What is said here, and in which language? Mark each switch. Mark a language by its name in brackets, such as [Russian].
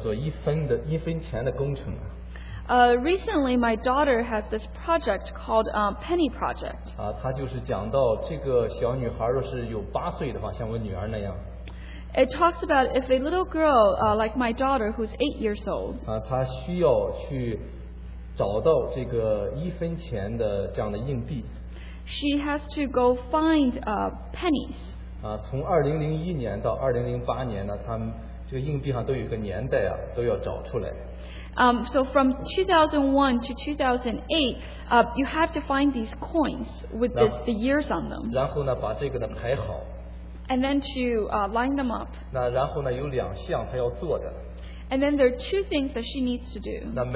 [Chinese] 我最近呢，我女儿呢，她有一个这个叫做一分钱的工程。 [English] Recently, my daughter has this project called a penny project. [Chinese] 她就是讲到这个小女孩若是有八岁的话，像我女儿那样。 [English] It talks about if a little girl like my daughter who's 8 years old. [Chinese] 她需要去。找到这个一分钱的这样的硬币。 [English] She has to go find pennies. [Chinese] 从2001年到2008年呢，他们这个硬币上都有一个年代啊，都要找出来。 [English] So from 2001 to 2008, you have to find these coins with this, the years on them. [Chinese] 然后呢，把这个呢排好。 [English] And then to line them up. [Chinese] 那然后呢，有两项他要做的。 [English] And then there are two things that she needs to do.